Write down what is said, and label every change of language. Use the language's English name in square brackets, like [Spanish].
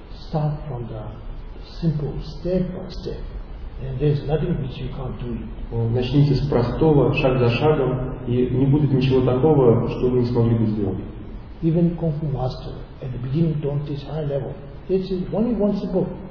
[English] Start from the simple step by step. And there's nothing which you can't do. [Russian] Начните с простого, шаг за шагом, и не будет ничего такого, что вы не смогли бы сделать. [English] Even kung fu master at the beginning don't teach high level. It's only one simple